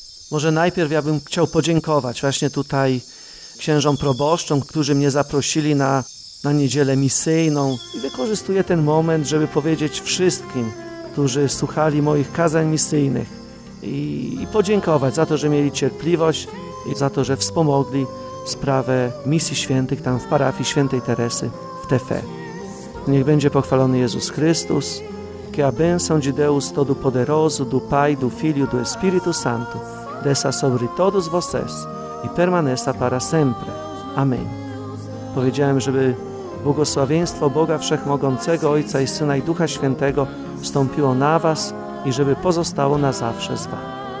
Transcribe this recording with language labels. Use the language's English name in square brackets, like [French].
[Polish] Może najpierw ja bym chciał podziękować właśnie tutaj księżom proboszczom, którzy mnie zaprosili na niedzielę misyjną i wykorzystuję ten moment, żeby powiedzieć wszystkim, którzy słuchali moich kazań misyjnych i podziękować za to, że mieli cierpliwość i za to, że wspomogli sprawę misji świętych tam w parafii świętej Teresy w Tefé. Niech będzie pochwalony Jezus Chrystus, [Portuguese] que a bênção de Deus Todo-Poderoso, do Pai, do Filho, do Espírito Santo, desça sobre todos vocês e permaneça para sempre. Amém. [Polish] Powiedziałem, żeby błogosławieństwo Boga Wszechmogącego, Ojca i Syna i Ducha Świętego wstąpiło na was i żeby pozostało na zawsze z wami.